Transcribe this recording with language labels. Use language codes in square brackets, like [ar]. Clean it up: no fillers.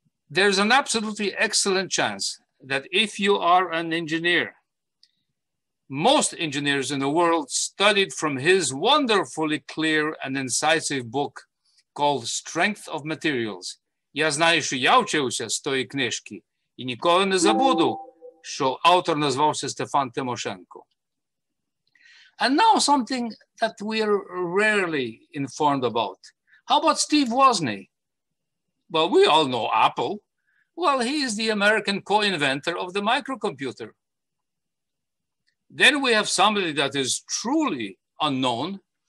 [en] There's an absolutely excellent chance that if you are an engineer, most engineers in the world studied from his wonderfully clear and incisive book called Strength of Materials. [uk] Я знаю, що я вчився з тої книжки і ніколи не забуду, що автор назвався Стефан Тимошенко. [en] And now something that we are rarely informed about. How about Steve Wozniak? Well, we all know Apple. Well, he is the American co-inventor of the microcomputer. Then we have somebody that is truly unknown.